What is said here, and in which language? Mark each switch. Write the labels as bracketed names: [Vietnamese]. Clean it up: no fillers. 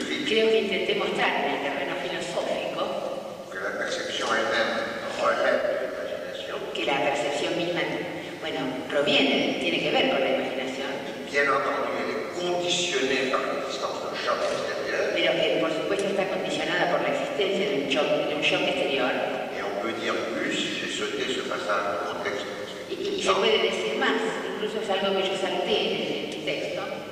[Spanish] Creo que intenté mostrar en el terreno filosófico que la percepción misma, tiene que ver con la imaginación. [French] bien entendu, elle est conditionnée par l'existence d'un choc extérieur. Mais que, [Spanish] por supuesto, está condicionada por la existencia de [French] un choc extérieur. Et on peut dire plus si j'ai sauté ce passage dans mon texte. [Spanish] Y se puede decir más, incluso es algo que yo salté en el texto.